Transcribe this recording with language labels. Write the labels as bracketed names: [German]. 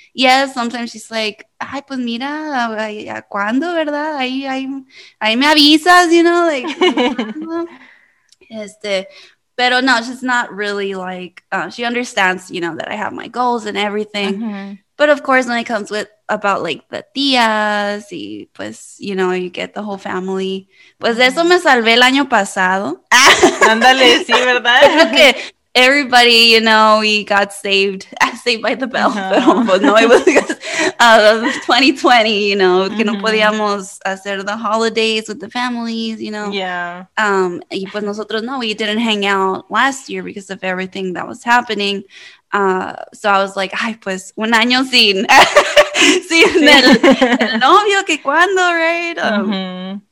[English] Yes, sometimes she's like, [Spanish] ay, pues mira, ¿a cuándo, verdad? Ahí me avisas, [English] you know, like, [Spanish] pero no, [English] she's not really like, she understands, you know, that I have my goals and everything, mm-hmm. but of course, when it comes with, about, like, the tías, [Spanish] y pues, [English] you know, you get the whole family, [Spanish] pues de eso me salvé el año pasado. Ándale, sí, ¿verdad? [English] Okay. Everybody, you know, we got saved by the bell, uh-huh. but no, it was 2020, you know, mm-hmm. [Spanish] que no podíamos hacer [English] the holidays with the families, you know. Yeah. [Spanish] Y pues nosotros, no, [English] we didn't hang out last year because of everything that was happening. So I was like, [Spanish] ay, pues, un año sin el novio, que cuando, right?